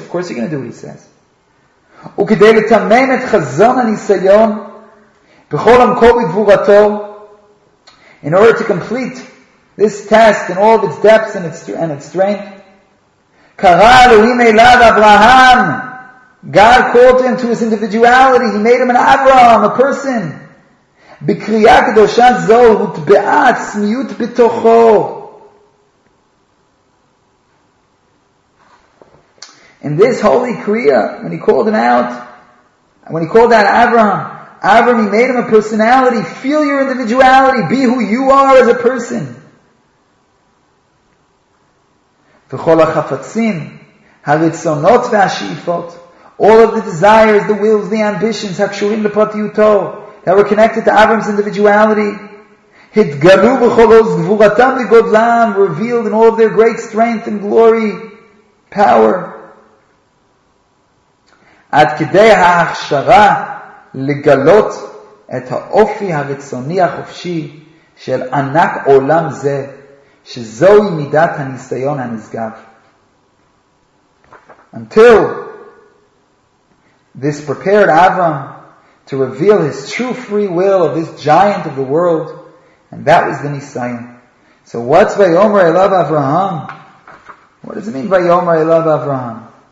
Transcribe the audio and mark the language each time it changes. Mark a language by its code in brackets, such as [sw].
[en] Of course you're going to do what He says. [he] וכדי לתמם את חזון הניסיון בכל עמקו בגבורתו, [en] in order to complete this test in all of its depths and its strength, [he] קרא אלוהים אליו אברהם. [en] God called him to his individuality. He made him an Abraham, a person. [he] בקריאה קדושה זו הוטבעה עצמיות בתוכו. [en] In this holy kriya, when he called him out, when he called out Avraham, Avraham, he made him a personality. Feel your individuality. Be who you are as a person. [he] V'chol ha'chafatzim, ha'ritzonot v'ashifot, [en] all of the desires, the wills, the ambitions, [he] ha'kshurim l'pratiyuto, [en] that were connected to Avraham's individuality, [he] hitgalu v'chol oz gvuratam v'godlam, [en] revealed in all of their great strength and glory, power. [he] עד כדי ההכשרה לגלות את האופי הרצוני החופשי של ענק עולם זה, שזוהי מידת הניסיון הנשגב. [en] Until this prepared Avram to reveal his true free will of this giant of the world, and that was the Nisayon. So what's [he] Vayomer Elav Avraham? [en] What does it mean [he] Vayomer Elav Avraham?